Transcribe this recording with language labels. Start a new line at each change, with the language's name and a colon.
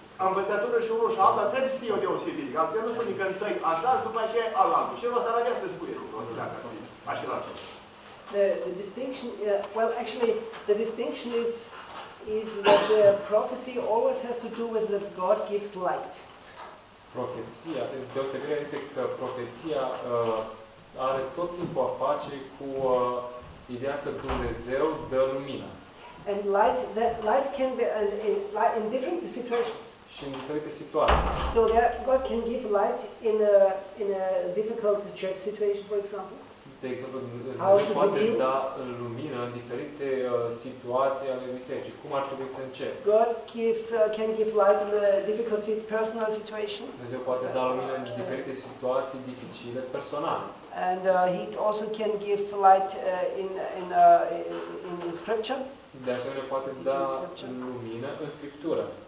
Romanian: Învățătură și unul și altul trebuie să fie o deosebire. Altfel nu spune că întâi așa și după aceea alaltul. Și el o să avea să spune lucrul ăsta. Așa la ce.
English: The distinction, well, actually, the distinction is that the prophecy always has to do with that God gives light.
Romanian: Profeția, deosebirea este că profeția are tot timpul a face cu ideea că Dumnezeu dă lumină.
English: And light, that light can be in different situations.
Romanian: Și în diferite situații.
English: So that God can give light in a difficult church situation, for example.
Romanian: De exemplu, Dumnezeu poate da lumină în diferite situații ale bisericii. Cum ar trebui să încep?
English: God can give light in a difficult personal situation.
Romanian: Dumnezeu poate da lumină în diferite situații dificile personale.
English: And he also can give light in scripture.
Romanian: De asemenea, poate da lumină în scriptură.